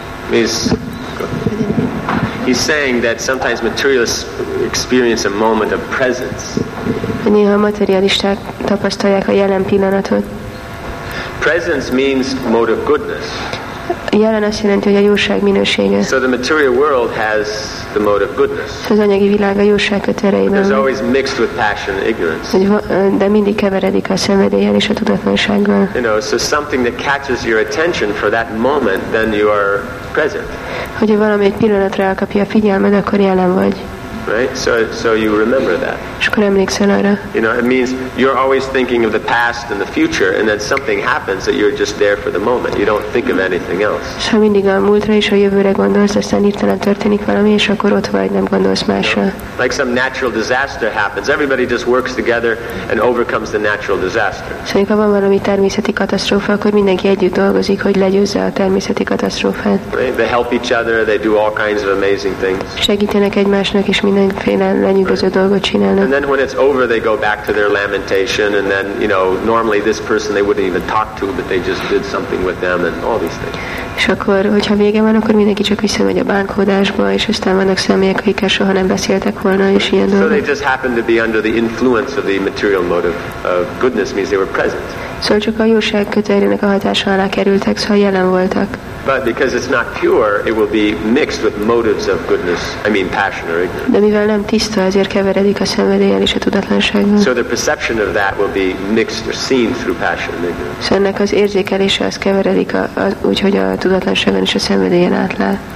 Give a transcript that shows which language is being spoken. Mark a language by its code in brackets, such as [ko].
[en] He's saying that sometimes materialists experience a moment of presence. [hu] Néha materialisták tapasztalják a jelen pillanatot. [en] Presence means mode of goodness. [hu] Jelen azt jelenti, hogy a jóság minősége. [en] So the material world has the mode of goodness. [hu] Az anyagi világ a jóság kötereiben. [en] But there's always mixed with passion and ignorance. [hu] De mindig keveredik a szenvedéllyel és a tudatlansággal. [en] You know, so something that catches your attention for that moment, then you are present. [hu] Hogyha valami egy pillanatra elkapja a figyelmed, akkor jelen vagy. [en] Right? So you remember that. [hu] És akkor emlékszel arra. [en] You know, it means you're always thinking of the past and the future, and then something happens that you're just there for the moment. You don't think of anything else. [hu] És ha mindig a múltra és a jövőre gondolsz, aztán hirtelen történik valami, és akkor ott vagy, nem gondolsz másra. [en] Like some natural disaster happens. Everybody just works together and overcomes the natural disaster. [hu] Szóval, ha van valami természeti katasztrófa, akkor mindenki együtt dolgozik, hogy legyőzze a természeti katasztrófát. [en] Right? They help each other, they do all kinds of amazing things. [hu] Segítenek egymásnak, és mindenféle lenyűgöző dolgot csinálnak. [en] And then when it's over, they go back to their lamentation, and then, you know, normally this person they wouldn't even talk to, but they just did something with them and all these things. [hu] És akkor, hogyha vége van, akkor mindenki csak visszamegy a bánkódásba, és aztán vannak személyek, akikkel soha nem beszéltek volna, és ilyen dolgok. [en] So they just happened to be under the influence of the material motive of goodness, means they were present. [hu] Szóval csak a jóság kötőjének a hatása alá kerültek, szóval jelen voltak. [en] But because it's not pure, it will be mixed with motives of goodness, I mean passion or ignorance. [hu] De mivel nem tiszta, ezért keveredik a szenvedéllyel és a tudatlansággal. [en] So the perception of that will be mixed or seen through passion and ignorance. [hu] Szóval ennek az érzékelése az keveredik, úgyhogy a tudatlanságon és a szenvedéllyel átlá.